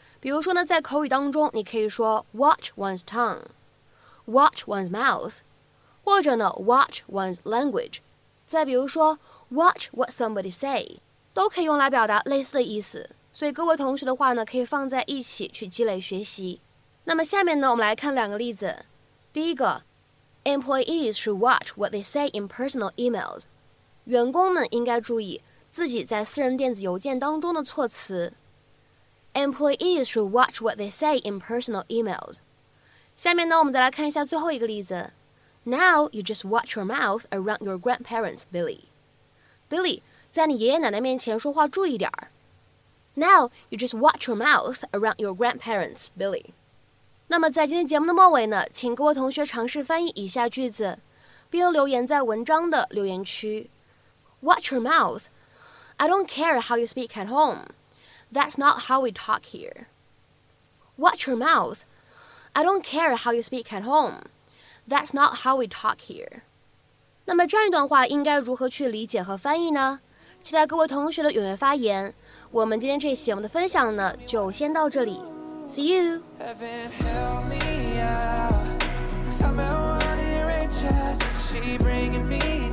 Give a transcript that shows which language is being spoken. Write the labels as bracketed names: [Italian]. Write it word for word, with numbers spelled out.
[Chinese] 比如说呢，在口语当中，你可以说 [English] watch one's tongue, watch one's mouth， [Chinese] 或者呢 [English] watch one's language。 [Chinese] 再比如说 [English] watch what somebody say， [Chinese] 都可以用来表达类似的意思。所以各位同学的话呢，可以放在一起去积累学习。那么下面呢，我们来看两个例子。第一个。 [English] Employees should watch what they say in personal emails. [Chinese] 员工们应该注意自己在私人电子邮件当中的措辞。 [English] Employees should watch what they say in personal emails. [Chinese] 下面呢，我们再来看一下最后一个例子。 [English] Now you just watch your mouth around your grandparents, Billy. [Chinese] Billy, 在你爷爷奶奶面前说话注意点儿。 [English] Now you just watch your mouth around your grandparents, Billy. [Chinese] 那么在今天节目的末尾呢，请各位同学尝试翻译以下句子，并留言在文章的留言区。 [English] Watch your mouth. I don't care how you speak at home. That's not how we talk here. Watch your mouth. I don't care how you speak at home. That's not how we talk here. [Chinese] 那么这样一段话应该如何去理解和翻译呢？期待各位同学的踊跃发言。我们今天这期节目的分享呢，就先到这里。 [English] See you. Heaven help me out, 'cause I'm out on the range, she bringing me.